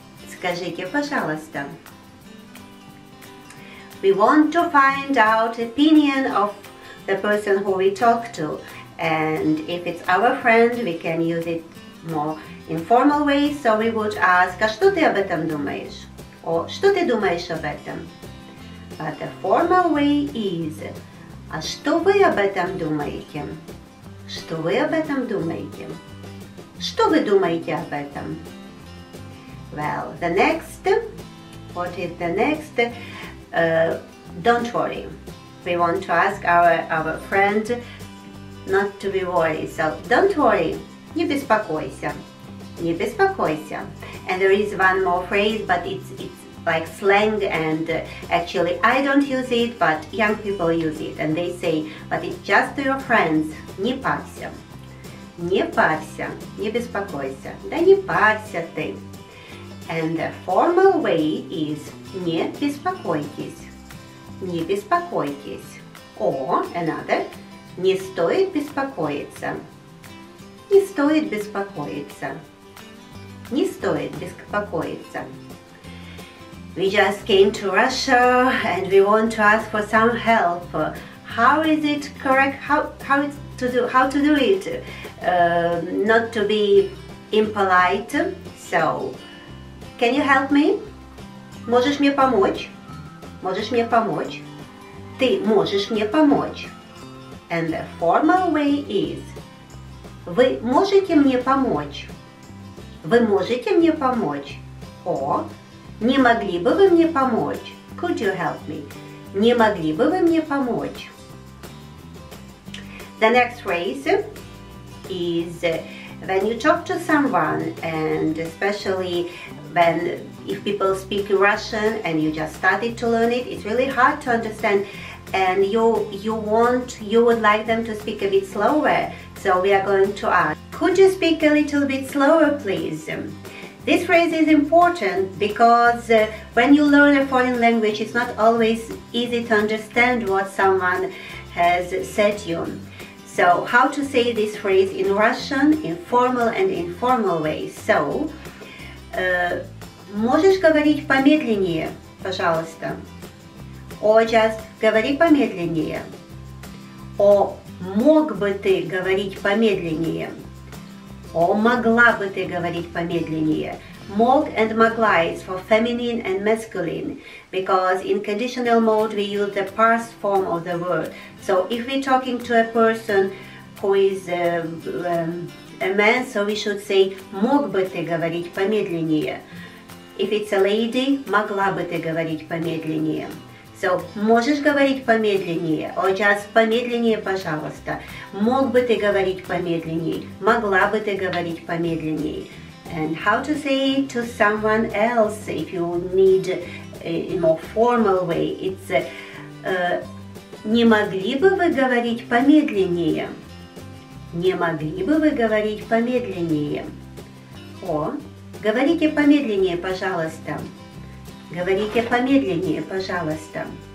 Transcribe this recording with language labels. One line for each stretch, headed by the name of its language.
Russian: Скажите, пожалуйста.
English: We want to find out opinion of the person who we talk to. And if it's our friend, we can use it more informal way. So we would ask,
Russian: а что ты об этом думаешь? Or что ты думаешь об этом?
English: But the formal way is,
Russian: а что вы об этом думаете? Что вы об этом думаете? Что вы думаете об этом?
English: Well, the next, what is the next? Don't worry. We want to ask our friend not to be worried. So, don't worry.
Russian: Не беспокойся. Не беспокойся.
English: And there is one more phrase, but it's like slang, and actually I don't use it, but young people use it, and they say, but it's just your friends,
Russian: не парься, Не парься, не беспокойся. Да не парься ты.
English: And the formal way is
Russian: не беспокойтесь. Не беспокойтесь.
English: Or another,
Russian: не стоит беспокоиться. Не стоит беспокоиться. Не стоит беспокоиться.
English: We just came to Russia and we want to ask for some help. How is it correct? How to do it? Not to be impolite. So, can you help me?
Russian: Можешь мне помочь? Можешь мне помочь? Ты можешь мне помочь?
English: And the formal way is:
Russian: Вы можете мне помочь? Вы можете мне помочь? Or: Не могли бы вы мне помочь?
English: Could you help me?
Russian: Не могли бы вы мне помочь?
English: The next phrase is when you talk to someone, and especially when if people speak Russian and you just started to learn it, it's really hard to understand, and you would like them to speak a bit slower. So we are going to ask, could you speak a little bit slower, please? This phrase is important because when you learn a foreign language, it's not always easy to understand what someone has said to you. So, how to say this phrase in Russian, in formal and informal ways?
Russian: So, можешь говорить помедленнее, пожалуйста?
English: Or just,
Russian: говори помедленнее. Or, мог бы ты говорить помедленнее? Or, могла бы ты говорить помедленнее?
English: Мог and могла is for feminine and masculine, because in conditional mode we use the past form of the word. So if we're talking to a person who is a man, so we should say
Russian: мог бы ты говорить помедленнее.
English: If it's a lady,
Russian: могла бы ты говорить помедленнее. So можешь говорить помедленнее,
English: or just
Russian: помедленнее, пожалуйста. Мог бы ты говорить помедленнее, могла бы ты говорить помедленнее.
English: And how to say it to someone else if you need a more formal way?
Russian: It's не могли бы вы говорить помедленнее? Не могли бы вы говорить помедленнее? О, говорите помедленнее, пожалуйста. Говорите помедленнее, пожалуйста.